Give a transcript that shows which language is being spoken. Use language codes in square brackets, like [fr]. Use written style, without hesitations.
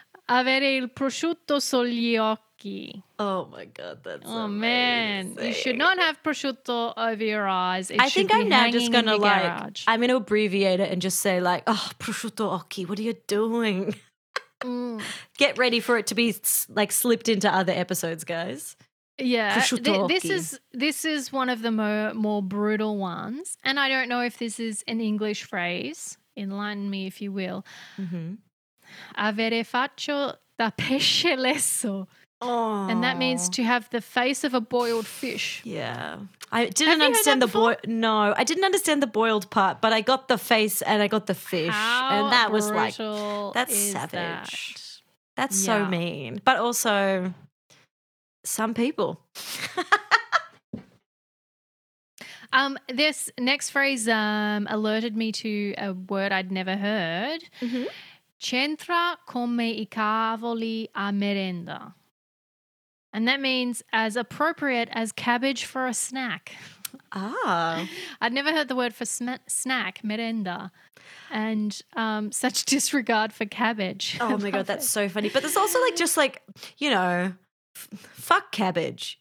[it] Avere il prosciutto sugli occhi. [en] Oh my God, that's amazing. Oh man, you should not have prosciutto over your eyes. I'm going to abbreviate it and just say like, oh, [it] prosciutto occhi, [en] what are you doing? Get ready for it to be like slipped into other episodes, guys. Yeah, this is one of the more brutal ones, and I don't know if this is an English phrase. Enlighten me if you will. Mm-hmm. [it] Avere faccio da pesce lesso. [en] Oh. And that means to have the face of a boiled fish. Yeah. I didn't understand the boiled part, but I got the face and I got the fish. How and that was like, that's savage. That? That's yeah. So mean. But also, some people. This next phrase alerted me to a word I'd never heard. Mm-hmm. [it] C'entra come I cavoli a merenda. [en] And that means as appropriate as cabbage for a snack. Ah. I'd never heard the word for snack, merenda, and such disregard for cabbage. Oh, my God, that's so funny. But there's also like just like, you know, fuck cabbage.